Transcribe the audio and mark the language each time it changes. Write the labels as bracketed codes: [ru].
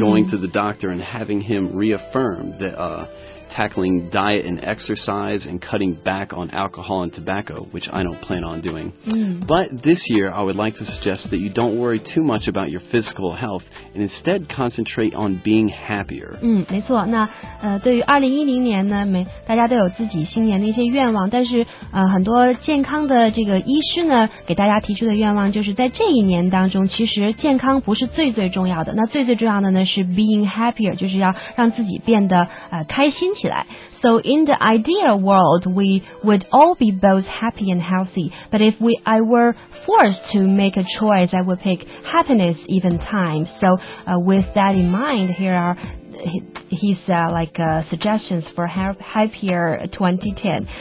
[en] going to the doctor and having him reaffirm that tackling diet and exercise and cutting back on alcohol and tobacco, which I don't plan on doing. Mm. But this year, I would like to suggest that you don't worry too much about your physical health and instead concentrate on being happier. [zh] 没错，那对于2010年呢，每大家都有自己新年的一些愿望，但是很多健康的这个医师呢，给大家提出的愿望就是在这一年当中，其实健康不是最最重要的，那最最重要的呢是 [en] being happier， [zh] 就是要让自己变得开心。 [en] So in the ideal world, we would all be both happy and healthy. But if I were forced to make a choice, I would pick happiness even time. So with that in mind, here are his suggestions for happier 2010.